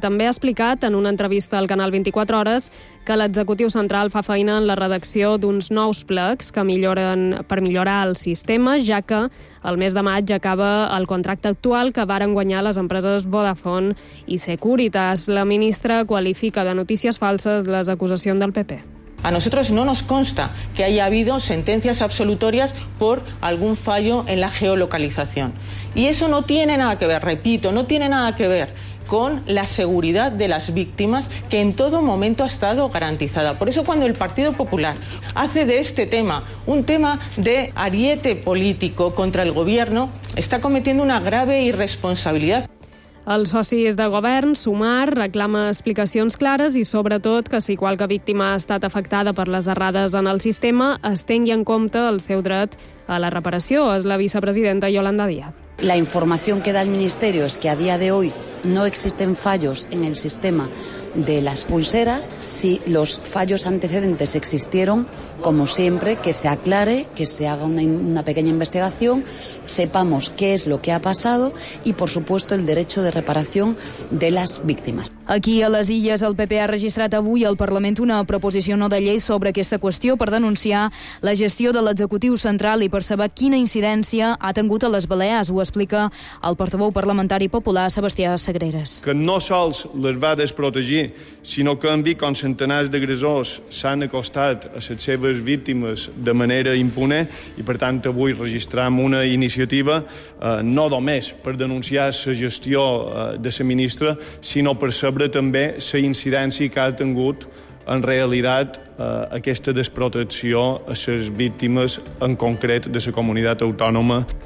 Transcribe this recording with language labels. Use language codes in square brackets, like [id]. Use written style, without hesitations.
[ca] També ha explicat en una entrevista al Canal 24 Hores que l'executiu central fa feina en la redacció d'uns nous plecs que milloren per millorar el sistema, ja que el mes de maig acaba el contracte actual que varen guanyar les empreses Vodafone i Securitas. La ministra qualifica de notícies falses les acusacions del PP. [es] A nosotros no nos consta que haya habido sentencias absolutorias por algún fallo en la geolocalización. Y eso no tiene nada que ver, repito, no tiene nada que ver con la seguridad de las víctimas que en todo momento ha estado garantizada. Por eso cuando el Partido Popular hace de este tema un tema de ariete político contra el gobierno, está cometiendo una grave irresponsabilidad. [ca] Els socis de govern, Sumar, reclama explicacions clares i, sobretot, que si qualque víctima ha estat afectada per les errades en el sistema, es tingui en compte el seu dret a la reparació, és la vicepresidenta Yolanda Díaz. [es] La información que da el Ministerio es que a día de hoy no existen fallos en el sistema de las pulseras. Si los fallos antecedentes existieron, como siempre, que se aclare, que se haga una pequeña investigación, sepamos qué es lo que ha pasado y, por supuesto, el derecho de reparación de las víctimas. [ca] Aquí a les Illes, el PP ha registrat avui al Parlament una proposició no de llei sobre aquesta qüestió per denunciar la gestió de l'executiu central i per saber quina incidència ha tingut a les Balears. Ho explica el portaveu parlamentari popular, Sebastià Sagreres. Que no sols les va desprotegir, sinó que han vist com centenars d'agressors s'han acostat a les seves víctimes de manera impune i, per tant, avui registram una iniciativa no només per denunciar la gestió de la ministra, sinó per sobre també la incidència que ha tingut en realitat aquesta desprotecció a les víctimes en concret de la comunitat autònoma.